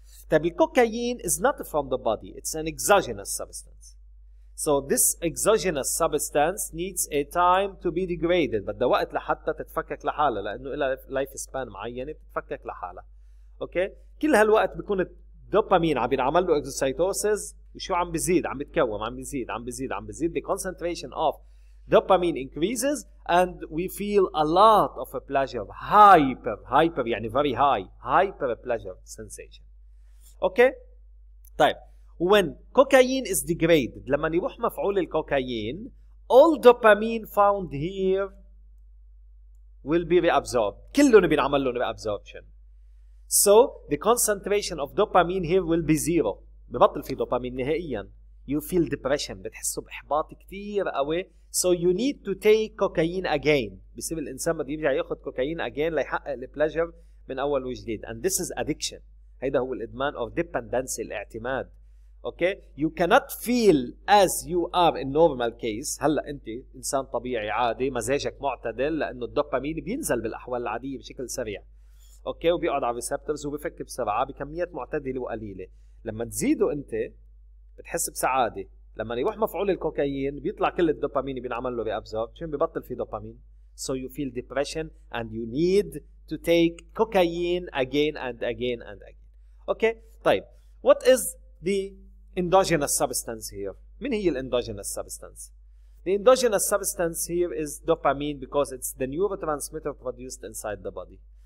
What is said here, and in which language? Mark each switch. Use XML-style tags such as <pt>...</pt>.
<en>طيب الكوكايين is not from the body, it's an exogenous substance. So this exogenous substance needs a time to be degraded,</en> <ar>بدها وقت لحتى تتفكك لحالها لانه لها life span معينه بتتفكك لحالها. اوكي, كل هالوقت بيكون الدوبامين عم بينعمل له اكزوسايتوسيس وشو عم بيزيد, عم بتكوم, عم بيزيد.</ar> <en>The concentration of dopamine increases and we feel a lot of a pleasure, hyper, يعني very high, hyper pleasure sensation. Okay, طيب when cocaine is degraded,</en> <ar>لما يروح مفعول الكوكايين,</ar> <en>all dopamine found here will be reabsorbed.</en> <ar>كلهم بينعمل لهم reabsorption.</ar> <en>So the concentration of dopamine here will be zero.</en> <ar>ببطل في دوبامين نهائيا.</ar> <en>You feel depression.</en> <ar>بتحسوا بإحباط كتير قوي.</ar> <en>So you need to take cocaine again.</en> <ar>بصير الإنسان بده يرجع ياخذ كوكايين again ليحقق البلاجر من أول وجديد.</ar> <en>And this is addiction.</en> <ar>هيدا هو الإدمان</ar> <en>or dependency,</en> <ar>الاعتماد.</ar> <en>Okay? You cannot feel as you are in normal case.</en> <ar>هلا أنت إنسان طبيعي عادي مزاجك معتدل لأنه الدوبامين بينزل بالأحوال العادية بشكل سريع. أوكي وبيقعد على ريسبترز وبيفك بسرعة بكميات معتدلة وقليلة. لما تزيده أنت بتحس بسعادة. لما يروح مفعول الكوكايين بيطلع كل الدوبامين بينعمل له بأبزور شو بيبطل فيه دوبامين.</ar> <en>So you feel depression and you need to take cocaine again and again and again. Okay طيب what is the endogenous substance here؟</en> <ar>من هي الاندوجينس سبستانس؟</ar> <en>The endogenous substance here is dopamine because it's the neurotransmitter produced inside the body.</en>